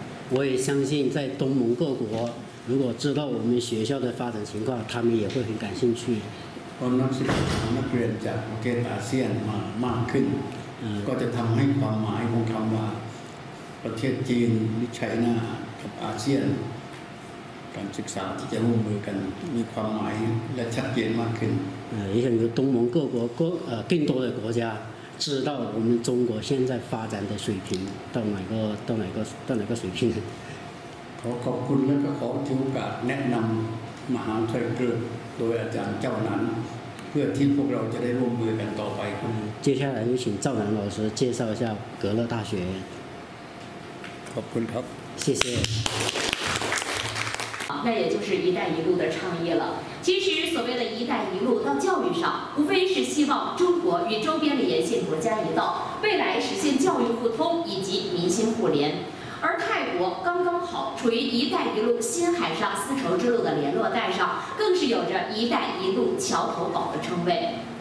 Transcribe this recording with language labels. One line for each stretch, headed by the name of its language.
Chinese: 我也相信在东盟各国，如果知道我们学校的发展情况，他们也会很感兴趣。
Thai: ความนักศึกษานักเรียนจากประเทศอาเซียนมามากขึ้นก็จะทำให้ความหมายของคำว่าประเทศจีนหรือไชน่ากับอาเซียนการศึกษาที่จะร่วมมือกันมีความหมายและชัดเจนมากขึ้น อย่างนี้
Chinese: 东盟各国更多的国家知道我们中国现在发展的水平到哪个到哪个到哪个水平
Thai: ขอขอบคุณและขอถือโอกาสแนะนำมหาวิทยาลัยกรุงโดยอาจารย์เจ้านันเพื่อที่พวกเราจะได้ร่วมมือกันต่อไป
Chinese: 接下来有请赵楠老师介绍一下格勒大学
Thai: ขอบคุณครับ
Chinese: 谢谢那也就是一带一路的倡议了其实所谓的一带一路到教育上无非是希望中国与周边连线国家一道未来实现教育互通以及民心互联而泰国刚刚好处于一带一路新海上丝绸之路的联络带上更是有着一带一路桥头堡的称谓